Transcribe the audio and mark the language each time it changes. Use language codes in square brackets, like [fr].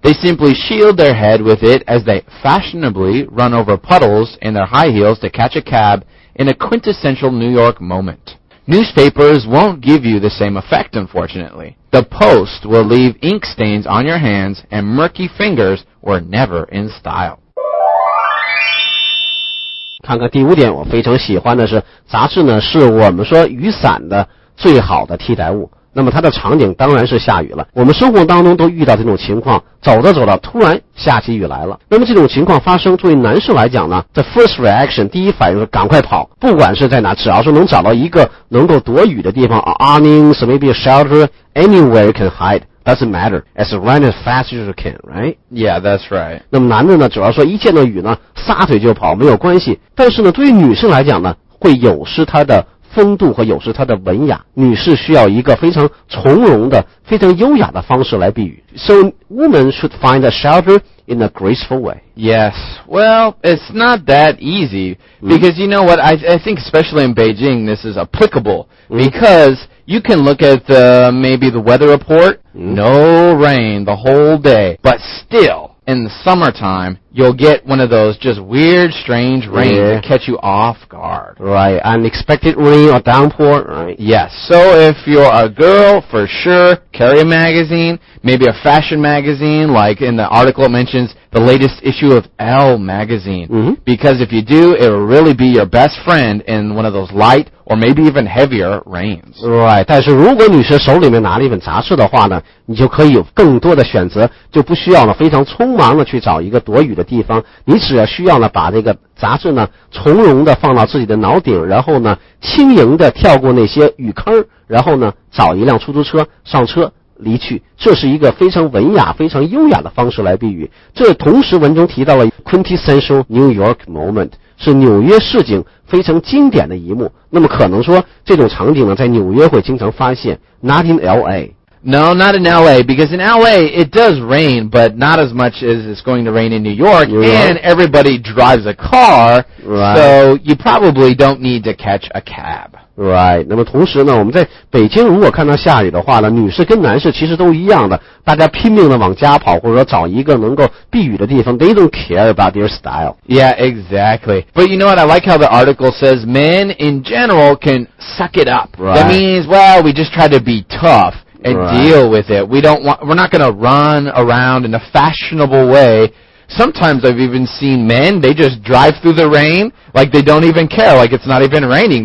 [en] They simply shield their head with it as they fashionably run over puddles in their high heels to catch a cab in a quintessential New York moment. Newspapers won't give you the same effect, unfortunately. The Post will leave ink stains on your hands, and murky fingers were never in style. [zh] 看看第五点，我非常喜欢的是杂志呢，是我们说雨伞的最好的替代物。那么它的场景当然是下雨了，我们生活当中都遇到这种情况，走着走着突然下起雨来了。那么这种情况发生，作为男士来讲呢， [en] the first reaction [zh] 第一反应是赶快跑，不管是在哪，只要是能找到一个能够躲雨的地方， [en] awnings, maybe a shelter, anywhere you can hide doesn't matter, as run as fast as you can, right? Yeah, that's right. [zh] 那么男的呢，主要说一见到雨呢撒腿就跑没有关系，但是呢对于女士来讲呢，会有失她的风度和有时它的文雅，女士需要一个非常从容的、非常优雅的方式来避雨。 [en] So women should find a shelter in a graceful way. Yes, well, it's not that easy because you know what? I think especially in Beijing, this is applicable because you can look at the maybe the weather report, no rain the whole day, but still. In the summertime, you'll get one of those just weird, strange rain to catch you off guard. Right, unexpected rain or downpour, right? Yes, so if you're a girl, for sure, carry a magazine, maybe a fashion magazine, like in the article it mentions, the latest issue of Elle magazine. Mm-hmm. Because if you do, it will really be your best friend in one of those light or maybe even heavier rains. [zh] Right, 但是如果女士手里面拿了一本杂志的话呢，你就可以有更多的选择，就不需要了非常匆忙的去找一个躲雨的地方，你只要需要呢把这个杂志呢从容的放到自己的脑顶，然后呢轻盈的跳过那些雨坑，然后呢找一辆出租车上车离去，这是一个非常文雅非常优雅的方式来避雨。这同时文中提到了 [en] quintessential New York moment, [zh] 是纽约市井非常经典的一幕。那么可能说这种场景呢在纽约会经常发现， [en] not in LA. No, not in LA, because in LA, it does rain, but not as much as it's going to rain in New York, New York. And everybody drives a car, right. So you probably don't need to catch a cab. Right. [zh] 那么同时呢，我们在北京如果看到下雨的话呢，女士跟男士其实都一样的，大家拼命的往家跑，或者说找一个能够避雨的地方。 [en] They don't care about your style. Yeah, exactly. But you know what? I like how the article says men in general can suck it up. Right. That means, well, we just try to be tough and right. deal with it. We're not going to run around in a fashionable way. Sometimes I've even seen men, they just drive through the rain, like they don't even care, like it's not even raining.